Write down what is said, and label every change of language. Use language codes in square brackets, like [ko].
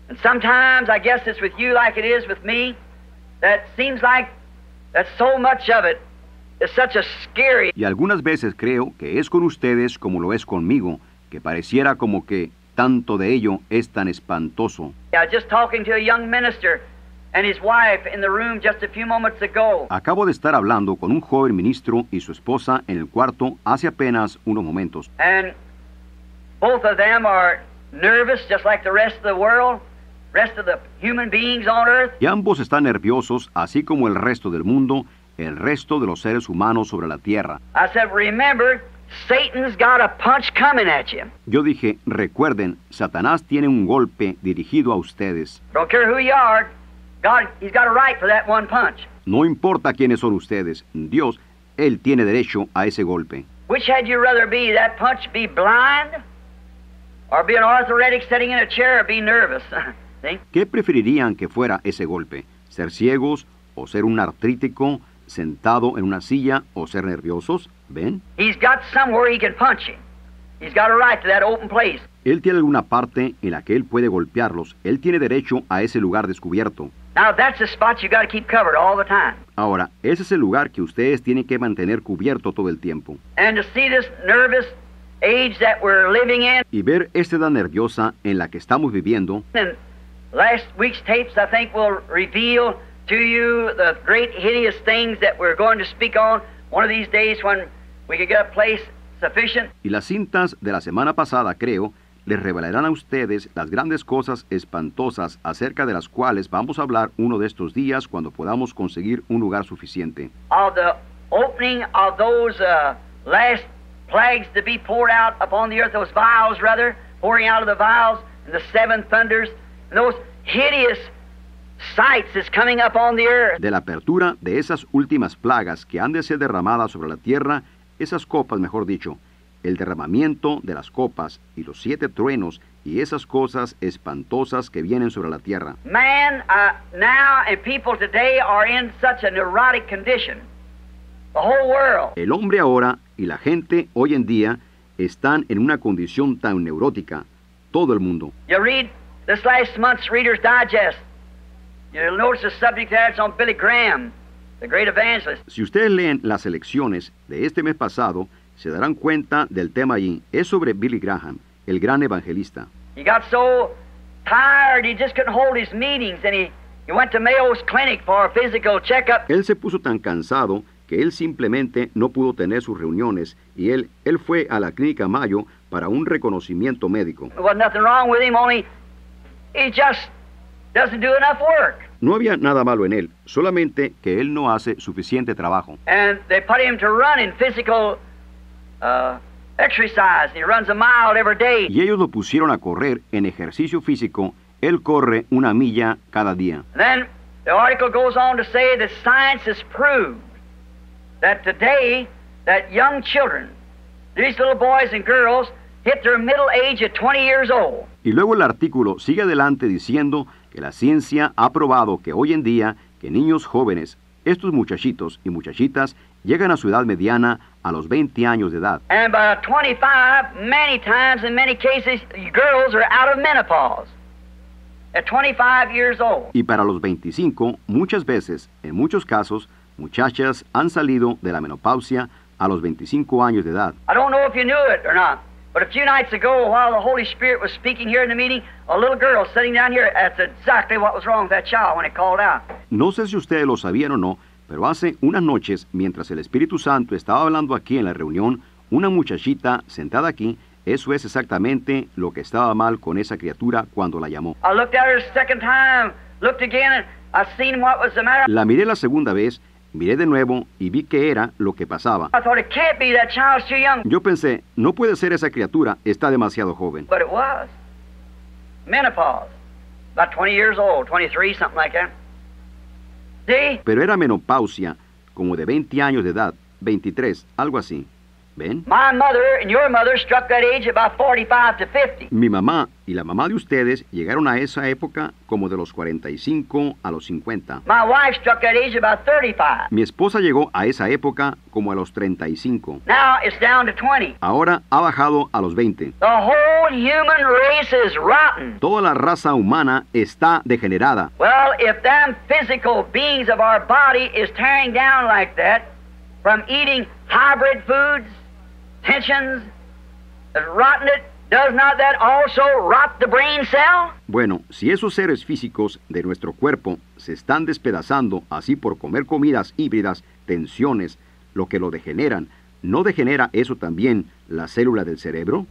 [en] And sometimes, I guess it's with you like it is with me, that seems like that so much of it is such a scary... [es] Y algunas veces creo que es con ustedes como lo es conmigo, que pareciera como que tanto de ello es tan espantoso. [en] Yeah, just talking to a young minister and his wife in the room just a few moments ago. [es] Acabo de estar hablando con un joven ministro y su esposa en el cuarto hace apenas unos momentos. [en] And both of them are nervous just like the rest of the world, rest of the human beings on earth. [es] Y ambos están nerviosos así como el resto del mundo, el resto de los seres humanos sobre la tierra. [en] I said, remember, Satan's got a punch coming at you. [es] Yo dije, recuerden, Satanás tiene un golpe dirigido a ustedes. [en] Don't care who you are. God, he's got a right for that one punch. [es] No importa quiénes son ustedes, Dios, él tiene derecho a ese golpe. [en] Which had you rather be, that punch be blind, or be an orthopedic sitting in a chair or be nervous? [es] ¿Qué preferirían que fuera ese golpe, ser ciegos o ser un artrítico sentado en una silla o ser nerviosos? ¿Ven? [en] He's got somewhere he can punch him. He's got a right to that open place. [es] Él tiene alguna parte en la que él puede golpearlos. Él tiene derecho a ese lugar descubierto. [en] Now, that's the spot you got to keep covered all the time. [es] Ahora, ese es el lugar que ustedes tienen que mantener cubierto todo el tiempo. [en] And to see this nervous age that we're living in. [es] Y ver esta edad nerviosa en la que estamos viviendo. [en] And last week's tapes, I think, will reveal to you the great hideous things that we're going to speak on one of these days when we can get a place sufficient. [es] Y las cintas de la semana pasada, creo, les revelarán a ustedes las grandes cosas espantosas acerca de las cuales vamos a hablar uno de estos días cuando podamos conseguir un lugar suficiente. [en] Of the opening of those last plagues to be poured out upon the earth, those vials rather, pouring out of the vials, and the seven thunders, and those hideous sights is coming up on the earth. [es] De la apertura de esas últimas plagas que han de ser derramadas sobre la tierra, esas copas, mejor dicho, el derramamiento de las copas y los siete truenos y esas cosas espantosas que vienen sobre la tierra. [en] Man, now and people today are in such a neurotic condition. The whole world. [es] El hombre ahora y la gente hoy en día están en una condición tan neurótica. Todo el mundo. [en] You read this last month's Reader's Digest. You'll notice the subject there, it's on Billy Graham, the great evangelist. [es] Si ustedes leen las elecciones de este mes pasado, se darán cuenta del tema allí. Es sobre Billy Graham, el gran evangelista. [en] He got so tired he just couldn't hold his meetings, and he went to Mayo's Clinic for a physical checkup. [es] Él se puso tan cansado que él simplemente no pudo tener sus reuniones, y él fue a la clínica Mayo para un reconocimiento médico. [en] There was nothing wrong with him, only he just doesn't do enough work. [es] No había nada malo en él, solamente que él no hace suficiente trabajo. [en] And they put him to run in physical exercise. He runs a mile every day. [es] Y ellos lo pusieron a correr en ejercicio físico. Él corre una milla cada día. [en] And then the article goes on to say that science has proved that today that young children, these little boys and girls, hit their middle age at 20 years old. [es] Y luego el artículo sigue adelante diciendo que la ciencia ha probado que hoy en día que niños jóvenes, estos muchachitos y muchachitas, llegan a su edad mediana a los 20 años de edad. [en] And by 25, many times in many cases, girls are out of menopause at 25 years old. [es] Y para los 25, muchas veces, en muchos casos, muchachas han salido de la menopausia a los 25 años de edad. [en] I don't know if you knew it or not, but a few nights ago, while the Holy Spirit was speaking here in the meeting, a little girl sitting down here, that's exactly what was wrong with that child when it called out. [es] No sé si ustedes lo sabían o no, pero hace unas noches, mientras el Espíritu Santo estaba hablando aquí en la reunión, una muchachita sentada aquí, eso es exactamente lo que estaba mal con esa criatura cuando la llamó. [en] I looked at her a second time, looked again, and I seen what was the matter. [es] La miré la segunda vez, miré de nuevo y vi qué era lo que pasaba. [en] I thought, it can't be, that child's too young. [es] Yo pensé, no puede ser esa criatura, está demasiado joven. [en] But it was. Menopause. About 20 years old, 23, something like that. [es] Pero era menopausia, como de 20 años de edad, 23, algo así. ¿Ven? [en] My mother and your mother struck that age about 45 to 50. [es] Mi mamá y la mamá de ustedes llegaron a esa época como de los 45 a los 50. [en] My wife struck that age about 35. [es] Mi esposa llegó a esa época como a los 35. [en] Now it's down to 20. [es] Ahora ha bajado a los 20. [en] The whole human race is rotten. [es] Toda la raza humana está degenerada. [en] Well, if them physical beings of our body is tearing down like that, from eating hybrid foods, tensions, rotten it, does not that also rot the brain cell? [es] Bueno, si esos seres físicos de nuestro cuerpo se están despedazando así por comer comidas híbridas, tensiones, lo que lo degeneran, ¿no degenera eso también la célula del cerebro?